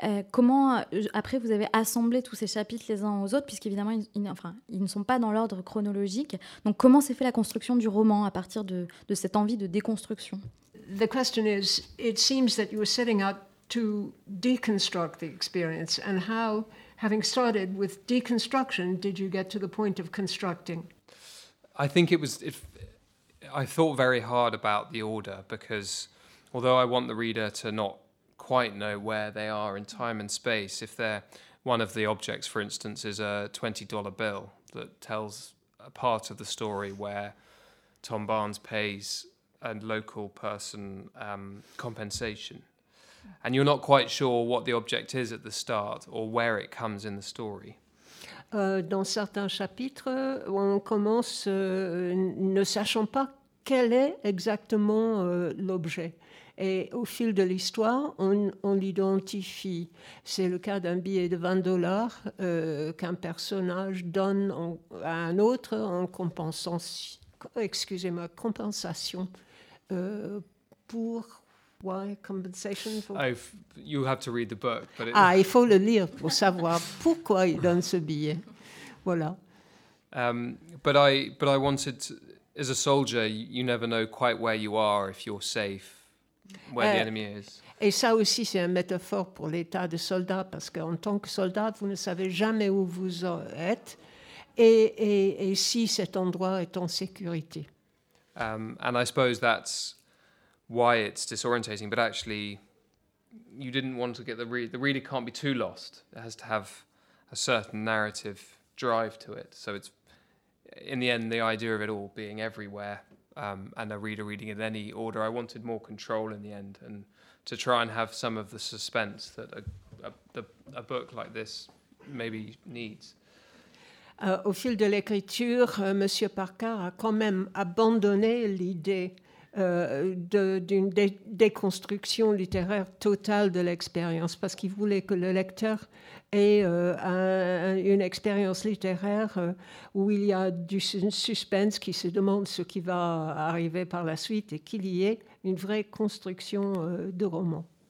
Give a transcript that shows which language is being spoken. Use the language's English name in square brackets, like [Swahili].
[French] Comment, après, vous avez assemblé tous ces chapitres les uns aux autres, puisqu'évidemment, ils ne sont pas dans l'ordre chronologique. Donc, comment s'est fait la construction du roman à partir de cette envie de déconstruction ? [English] The question is, it seems that you were setting up to deconstruct the experience and how... Having started with deconstruction, did you get to the point of constructing? I think it was, if, I thought very hard about the order, because although I want the reader to not quite know where they are in time and space, if they're one of the objects, for instance, is a $20 bill that tells a part of the story where Tom Barnes pays a local person compensation, and you're not quite sure what the object is at the start or where it comes in the story. [French] Dans certains chapitres, on commence ne sachant pas quel est exactement l'objet. Et au fil de l'histoire, on l'identifie. C'est le cas d'un billet de $20 qu'un personnage donne à un autre en compensation pour... [English] Why compensation for... You have to read the book. But [French] Il faut le lire pour savoir pourquoi il donne ce billet. Voilà. [English] But I wanted to, as a soldier, you never know quite where you are, if you're safe, where the enemy is. [French] Et ça aussi, c'est une métaphore pour l'état de soldat, parce qu'en tant que soldat, vous ne savez jamais où vous êtes et si cet endroit est en sécurité. [English] And I suppose that's why it's disorientating, but actually you didn't want to get the reader can't be too lost. It has to have a certain narrative drive to it. So it's, in the end, the idea of it all being everywhere and a reader reading in any order, I wanted more control in the end and to try and have some of the suspense that a book like this maybe needs. [French] Au fil de l'écriture, Monsieur Parker a quand même abandonné l'idée d'une déconstruction littéraire totale de l'expérience, parce qu'il voulait que le lecteur ait une expérience littéraire où il y a du suspense, qui se demande ce qui va arriver par la suite, et qu'il y ait une vraie construction de roman.